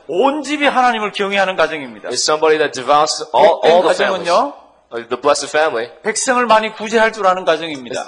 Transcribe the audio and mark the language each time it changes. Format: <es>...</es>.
<ko>온 집이 하나님을 경외하는 가정입니다.</ko> <en>It's somebody that devours all the families.</en> <ko>가정은요</ko> <en>The blessed family.</en> <ko>백성을 많이 구제할 줄 아는 가정입니다.</ko>